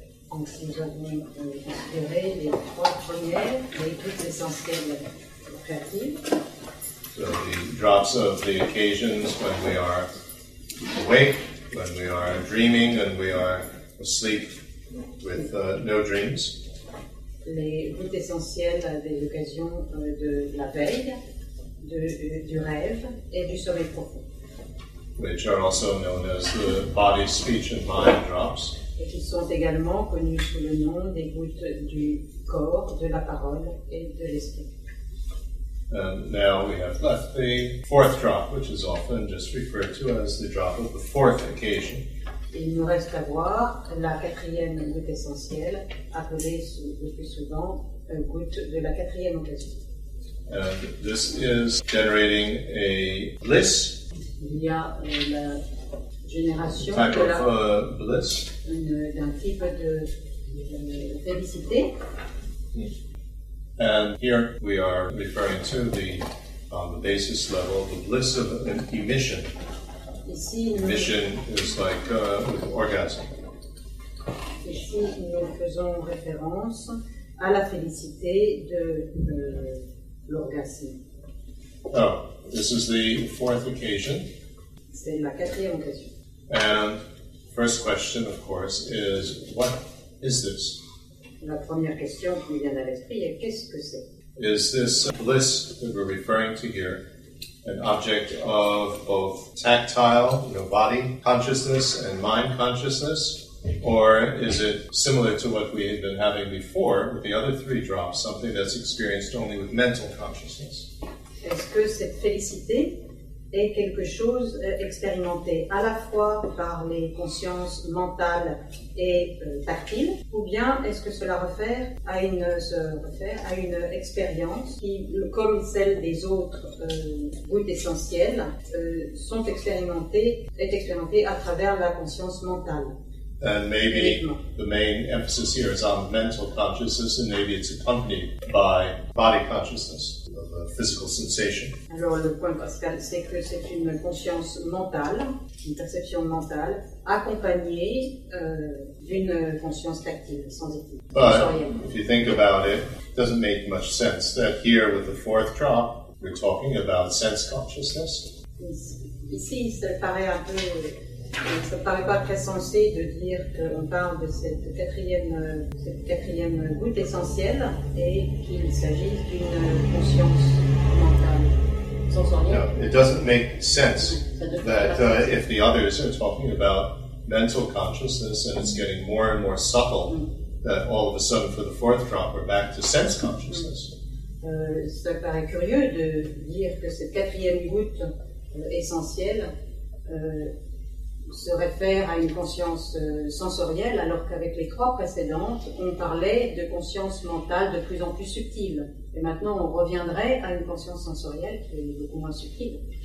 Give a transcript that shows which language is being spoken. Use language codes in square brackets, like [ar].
[en] So the drops of the occasions when we are awake, when we are dreaming, and we are asleep with no dreams. [fr] Les gouttes essentielles des occasions de la veille, du rêve et du sommeil profond. [en] Which are also known as the body, speech and mind drops. [fr] Et qui sont également connus sous le nom des gouttes du corps, de la parole et de l'esprit. [en] And now we have left the fourth drop, which is often just referred to as the drop of the fourth occasion. [fr] Il nous reste à voir la quatrième goutte essentielle, appelée le plus souvent une goutte de la quatrième occasion. [en] And this is generating a bliss. [fr] Il y a la génération type de la, [en] of bliss. [fr] D'un type de félicité. [en] And here we are referring to the, on the basis level, the bliss of an emission. [fr] Ici, [en] emission is like with orgasm. [fr] Ici, nous faisons référence à la félicité de l'orgasme. [en] Oh, this is the fourth occasion. [fr] C'est la quatrième occasion. [en] And first question, of course, is what is this? [fr] La première question qui vient à l'esprit est qu'est-ce que c'est? [en] Is this bliss that we're referring to here an object of both tactile, you know, body consciousness and mind consciousness? Or is it similar to what we had been having before with the other three drops, something that's experienced only with mental consciousness? [fr] Est-ce que cette félicité est quelque chose expérimenté à la fois par les consciences mentales et tactiles, ou bien est-ce que cela se réfère à une expérience qui, comme celle des autres gouttes essentielles, est expérimentée à travers la conscience mentale. [en] And maybe the main emphasis here is on mental consciousness, and maybe it's accompanied by body consciousness, a physical sensation. [fr] Alors le point principal, c'est que c'est une conscience mentale, une perception mentale, accompagnée d'une conscience tactile, sensitive. [en] But if you think about it, it doesn't make much sense that here with the fourth drop, we're talking about sense consciousness. [fr] Ici, ça paraît un peu... Ça ne paraît pas très sensé de dire qu'on parle de cette quatrième goutte essentielle et qu'il s'agit d'une conscience mentale sensorielle. [en] No, it doesn't make sense that if the others are talking about mental consciousness and it's getting more and more subtle, that all of a sudden for the fourth drop we're back to sense consciousness. [fr] Ça paraît curieux de dire que cette quatrième goutte essentielle se réfère à une conscience sensorielle, alors qu'avec les trois précédentes, on parlait de conscience mentale de plus en plus subtile. Et maintenant, on reviendrait à une conscience sensorielle qui est beaucoup moins subtile.